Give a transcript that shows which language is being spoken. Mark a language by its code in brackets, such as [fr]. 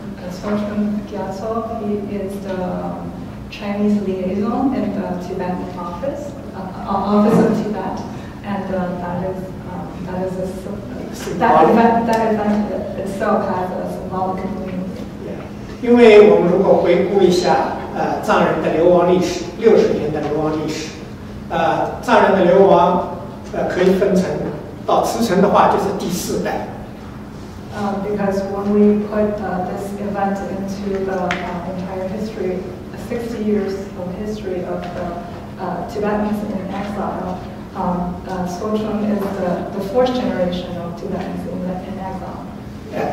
[en] Sochan Kyaso, he is the Chinese liaison in the Tibet office of Tibet, and that event itself has a symbolic meaning. [zh] 因为我们如果回顾一下藏人的流亡历史，60年的流亡历史，藏人的流亡可以分成，到慈诚的话就是第四代。 [en] Because when we put this event into the entire history, 60 years of history of the Tibetans in exile, Sochan is the fourth generation of Tibetans in exile.